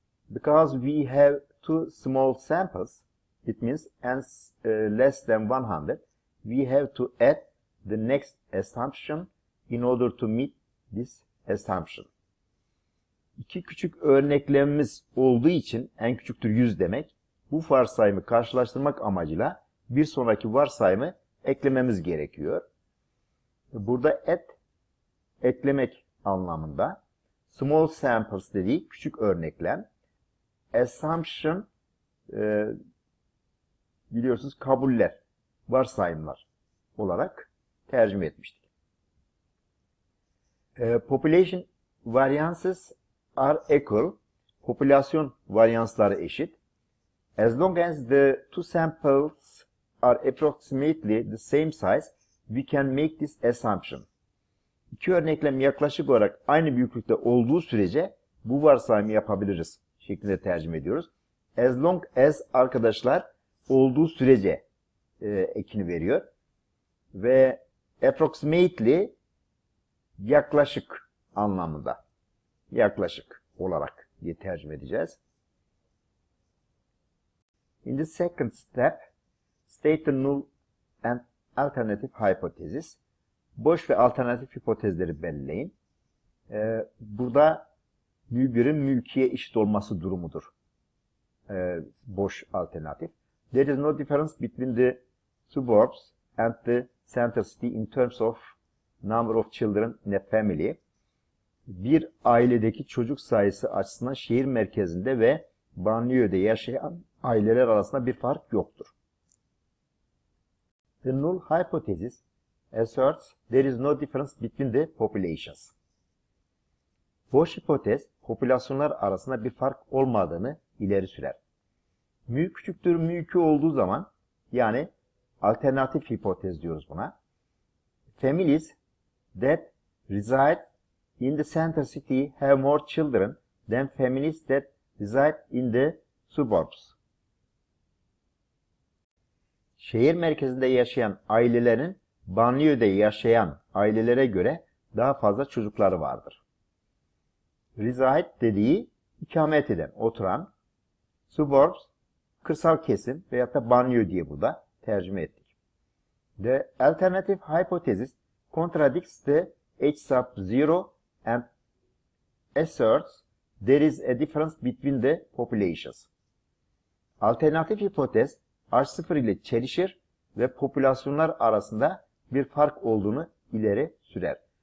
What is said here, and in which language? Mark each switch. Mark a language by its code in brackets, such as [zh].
[en] Because we have two small samples, it means less than 100, we have to add the next assumption in order to meet this assumption. [tr] İki küçük örneklemimiz olduğu için en küçüktür 100 demek. Bu varsayımı karşılaştırmak amacıyla bir sonraki varsayımı eklememiz gerekiyor. Burada eklemek anlamında [en] small samples [tr] dediği küçük örneklem assumption biliyorsunuz kabuller, varsayımlar olarak tercüme etmiştik. [en] Population variances are equal. [tr] Popülasyon varyansları eşit. [en] As long as the two samples are approximately the same size, we can make this assumption. [tr] İki örneklem yaklaşık olarak aynı büyüklükte olduğu sürece bu varsayımı yapabiliriz şeklinde tercüme ediyoruz. [en] As long as [tr] arkadaşlar olduğu sürece ekini veriyor. Ve approximately yaklaşık anlamında. Yaklaşık olarak diye tercüme edeceğiz. [en] In the second step, state the null and alternative hypothesis. [tr] Boş ve alternatif hipotezleri belirleyin. Burada mü 1'in mü 2'ye eşit olması durumudur. Boş alternatif. [en] There is no difference between the suburbs and the center city in terms of number of children in a family. [tr] Bir ailedeki çocuk sayısı açısından şehir merkezinde ve banliyöde yaşayan aileler arasında bir fark yoktur. [en] The null hypothesis asserts there is no difference between the populations. [tr] Boş hipotez, popülasyonlar arasında bir fark olmadığını ileri sürer. Mü küçüktür mü 2 olduğu zaman, yani alternatif hipotez diyoruz buna. [en] Families that reside in the center city have more children than families that reside in the suburbs. [tr] Şehir merkezinde yaşayan ailelerin banliyöde yaşayan ailelere göre daha fazla çocukları vardır. Reside dediği ikamet eden, oturan. Suburbs, kırsal kesim veyahut da banliyö diye burada tercüme ettik. [en] The alternative hypothesis contradicts the H sub 0 and asserts there is a difference between the populations. [tr] Alternatif hipotez H0 ile çelişir ve popülasyonlar arasında bir fark olduğunu ileri sürer.